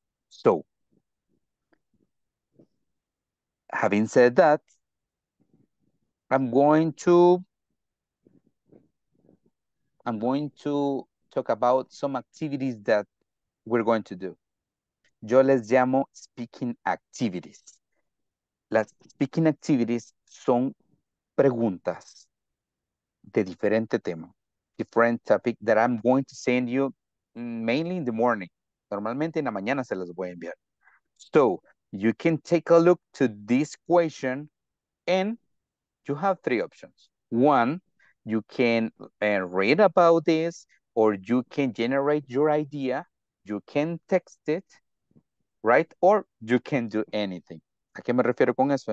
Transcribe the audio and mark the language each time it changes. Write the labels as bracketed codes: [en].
[en] So, having said that, I'm going to talk about some activities that we're going to do. [es] Yo les llamo speaking activities. Las speaking activities son preguntas de diferente tema, [en] different topic that I'm going to send you mainly in the morning. [es] Normalmente en la mañana se las voy a enviar. [en] So, you can take a look to this question and you have three options. One, you can read about this or you can generate your idea. You can text it, right? Or you can do anything. [es] ¿A qué me refiero con eso?